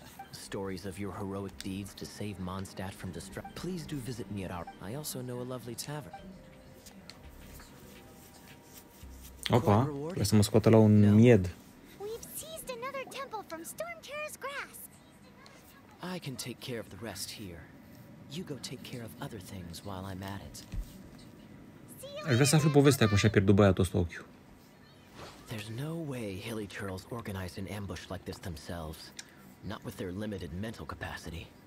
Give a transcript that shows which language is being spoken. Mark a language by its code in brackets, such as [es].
[en] Stories of your heroic deeds to save Mondstadt from destruction. Please do visit me at our... I also know a lovely tavern. [ro] Opa, vreau să mă scoată la un mied. [en] We've seized another temple from Stormtear's grasp. I can take care of the rest here. You go take care of other things while I'm at it. [ro] Aș vrea să aflu povestea cum și-a pierdut băiatul ăsta ochiul. [en] There's no way Hilly Churls organized an ambush like this themselves, not with their limited mental capacity.